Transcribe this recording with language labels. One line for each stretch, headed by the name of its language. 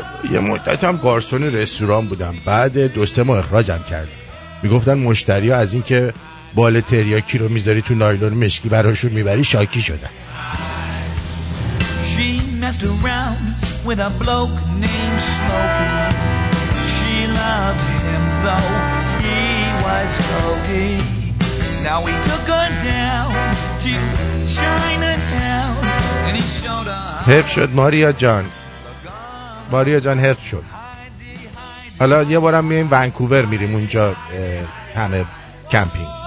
Persian: یه مدت هم گارسون رستوران بودم، بعد دو سه ماه اخراجم کرد. میگفتن مشتری ها از این که بال تریاکی رو میذاری تو نایلون مشکی براشون میبری شاکی شدن.
English: She messed around with a bloke named Smokey. She loved him though he was cokey. Now he took her down to Chinatown and he showed her.
Persian: حرف شد ماریا جان، ماریا جان حرف شد. حالا یه بارم میایم ونکوور، میریم اونجا همه کمپینگ.